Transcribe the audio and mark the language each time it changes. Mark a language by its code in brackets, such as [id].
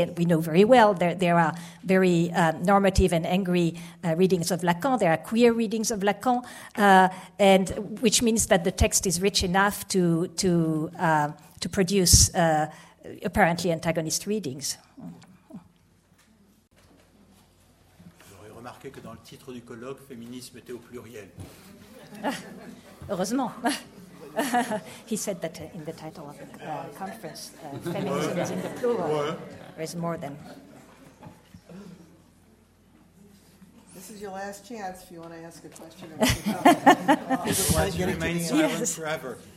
[en] And we know very well there are very normative and angry readings of Lacan. There are queer readings of Lacan, and which means that the text is rich enough to produce apparently antagonist readings. [fr] J'aurais remarqué que dans le titre du colloque, féminisme était au pluriel. Heureusement. [en] He said that in the title of the conference, feminism is in the plural. There is more than. This is your last chance if you want to ask a question. Or otherwise, you remain silent forever.